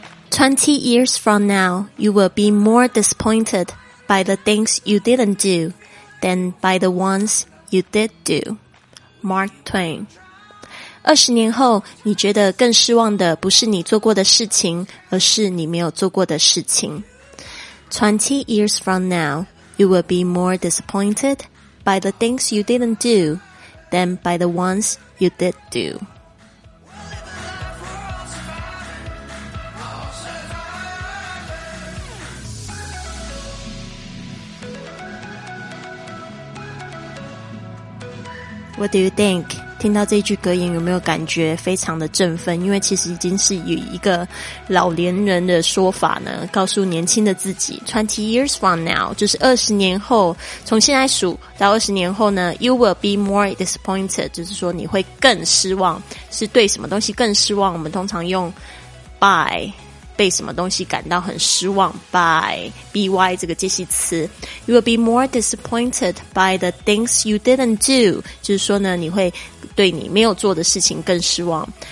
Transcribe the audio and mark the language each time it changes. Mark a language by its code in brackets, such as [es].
[en] 20 years from now, you will be more disappointed by the things you didn't do than by the ones you did do. Mark Twain. [zh] 20年后，你觉得更失望的不是你做过的事情，而是你没有做过的事情。 [en] 20 years from now, you will be more disappointed by the things you didn't do than by the ones you did do. What do you think? [zh] 听到这句格言有没有感觉非常的振奋？因为其实已经是以一个老年人的说法呢，告诉年轻的自己 [en] 20 years from now [zh] 就是20年后，从现在数到20年后呢， [en] You will be more disappointed [zh] 就是说你会更失望，是对什么东西更失望。我们通常用 by 被什么东西感到很失望， by by 这个介系词。 [en] You will be more disappointed by the things you didn't do. [zh] 就是说呢，你会对你没有做的事情更失望。